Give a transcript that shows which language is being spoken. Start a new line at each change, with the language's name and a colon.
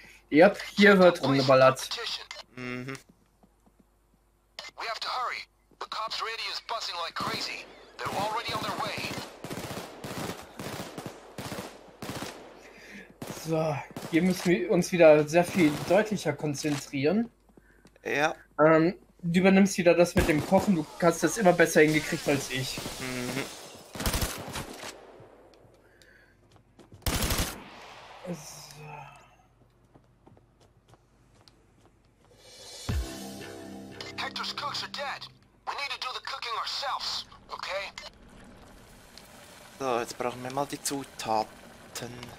German: Ja, hier wird rumgeballert.
English: We have to hurry. The cops radio is buzzing like crazy. They're already on their way.
German: So, hier müssen wir uns wieder sehr viel deutlicher konzentrieren. Ja. Du übernimmst wieder das mit dem Kochen. Du hast das immer besser hingekriegt als ich. So.
English: Hector's cooks are dead. We need to do the cooking ourselves, okay?
German: So, jetzt brauchen wir mal die Zutaten.